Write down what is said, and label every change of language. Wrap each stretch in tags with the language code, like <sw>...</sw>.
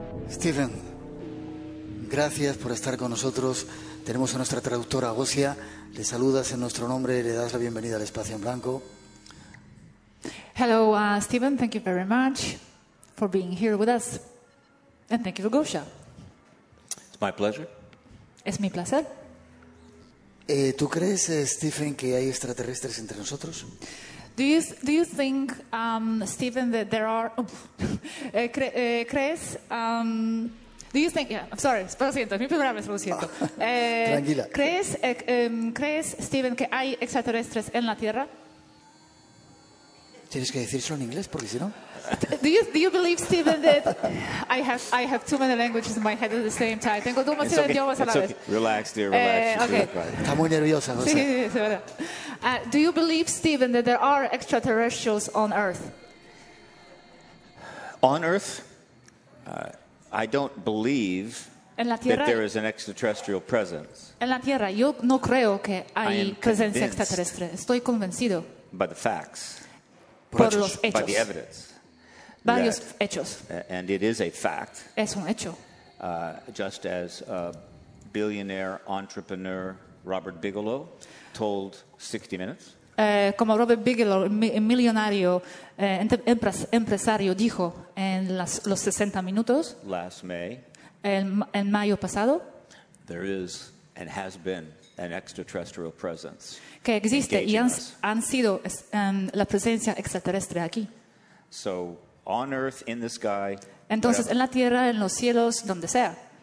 <es>Stephen, gracias por estar con nosotros. Tenemos a nuestra traductora Gosia. Le saludas en nuestro nombre, le das la bienvenida al Espacio en Blanco.</es> <en>Hello, Stephen, thank you very much for being here with us. And thank you for Gosia. It's my pleasure.</en> <es>Es mi placer. ¿Tú crees, Stephen, que hay extraterrestres entre nosotros?</es> <en>Do you think, Stephen, that there are...</en> <es>¿Crees...</es> <en>Do you think? Yeah, sorry.</en> <es>Lo siento. Es mi primera vez. Lo siento. Tranquila. ¿Crees, Stephen, que hay extraterrestres en la Tierra? Tienes que decir eso en inglés, porque si no.</es> <en>Do you believe, Stephen, that I have too many languages in my head at the same time?</en> <es>Tengo dos idiomas a la vez.</es> <en>Relax, dear. Relax. Okay.</en> <es>Está muy nerviosa. Sí, es verdad.</es> <en>Do you believe, Stephen, that there are extraterrestrials on Earth? On Earth. I don't believe that there is an extraterrestrial presence.</en> <es>En la Tierra, yo no creo que hay presencia extraterrestre. Estoy convencido.</es> <en>By the facts.</en> <es>Por los hechos.</es> <en>By the evidence.</en> <es>Varios hechos.</es> <en>And it is a fact.</en> <es>Es un hecho.</es> <en>Just as billionaire entrepreneur Robert Bigelow told 60 Minutes.</en> <es>Como Robert Bigelow, millonario, empresario, dijo en los 60 minutos,</es> <en>last May,</en> <es>en mayo pasado,</es> <en>there is and has been an extraterrestrial presence,</en> <es>que existe y han sido la presencia extraterrestre aquí.</es> <en>So, on Earth, in the sky,</en> <es>entonces, whatever, en la Tierra, en los cielos, donde sea,</es>